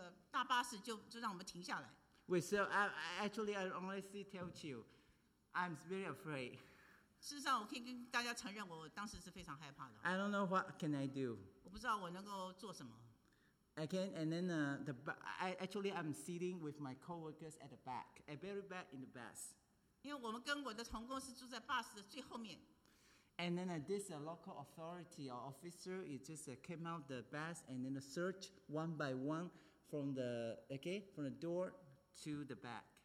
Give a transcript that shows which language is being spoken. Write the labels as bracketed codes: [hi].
[zh] 但是走了一半，突然有人把我们坐的那个大巴士就让我们停下来。 [en] Wait, so I actually honestly tell you, I'm very afraid. [zh] 事实上，我可以跟大家承认，我当时是非常害怕的。 [en] I don't know what can I do. [zh] 我不知道我能够做什么。 [en] Again, and then I'm sitting with my coworkers at the back, at very back in the bus. [zh] 因为我们跟我的同工是住在巴士的最后面。 [en] And then this local authority or officer, it just came out the bus and then search one by one from the from the door to the back.